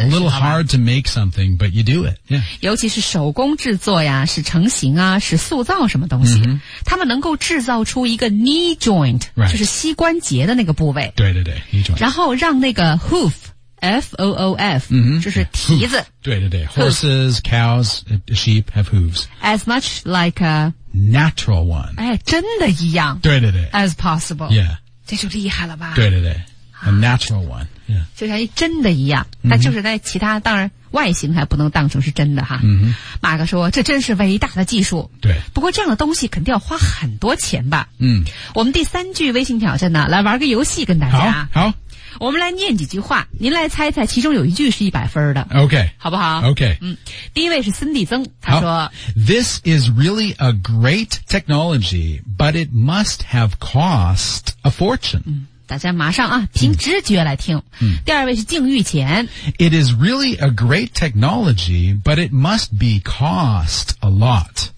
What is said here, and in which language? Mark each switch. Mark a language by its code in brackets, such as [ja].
[en] yeah, a little hard to make something but you do it、yeah. [zh] 尤其是手工制作呀是成型啊是塑造什么东西、 mm-hmm. 他们能够制造出一个 knee joint、 [en] right. [zh] 就是膝关节的那个部位对对对 knee joint 然后让那个 hoof F-O-O-F、 mm-hmm. 就是蹄子、 [en] yeah. hoof, [zh] 对对对 [en] horses, cows, sheep have hooves as much like a natural one [zh] 哎，真的一样对对对 [en] as possible yeah [zh] 这就厉害了吧对对对 [en] a natural one Yeah. [zh] 就像真的一样但就是在其他、 mm-hmm. 当然外形还不能当成是真的哈。嗯、mm-hmm. 马克说这真是伟大的技术。对。不过这样的东西肯定要花很多钱吧。嗯。我们第三句微信挑战呢来玩个游戏跟大家。好。好我们来念几句话，您来猜猜其中有一句是100分的。 [en] OK. [zh] 好不好？ [en] OK. [zh] 第一位是孙地曾，他说 [en] This is really a great technology, but it must have cost a fortune. [zh] 大家马上啊凭直觉来听。第二位是靖玉前。 [en] It is really a great technology, but it must be cost a lot.